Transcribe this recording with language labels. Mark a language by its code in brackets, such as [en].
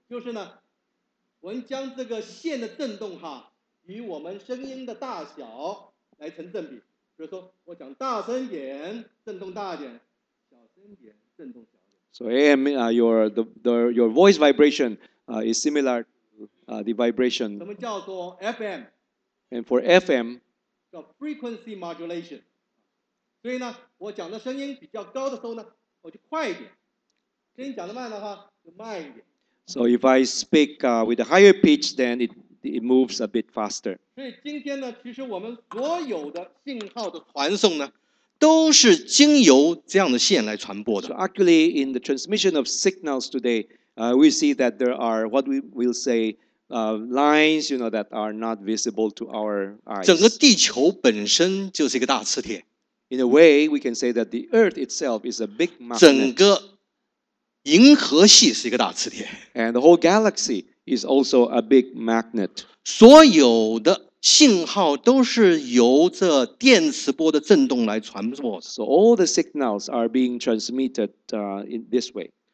[zh] 就是呢, 我们将这个线的震动哈, 与我们声音的大小来成正比。比如说, 我讲大声点, 震动大点, 小声点, 震动小点。 [en] So AM, your voice vibration is similar to the vibration. [zh] 什么叫做 FM? [en] And for FM, [zh] 叫 frequency modulation。所以呢, 我讲的声音比较高的时候呢, 我就快一点。声音讲得慢的话, 就慢一点。 [en] So if I speak with a higher pitch, then it moves a bit faster. [zh] 所以今天呢, 其实我们所有的信号的传送呢, 都是经由这样的线来传播的。 [en] So actually, in the transmission of signals today, we see that there are what we will say lines, you know, that are not visible to our eyes. [zh] 整个地球本身就是一个大磁铁。 [en] In a way, we can say that the Earth itself is a big magnet. [zh] 整个银河系是一个大磁铁。 [en] And the whole galaxy is also a big magnet. [zh] 所有的信号都是由这电磁波的震动来传播的。 [en] So all the signals are being transmitted in this way.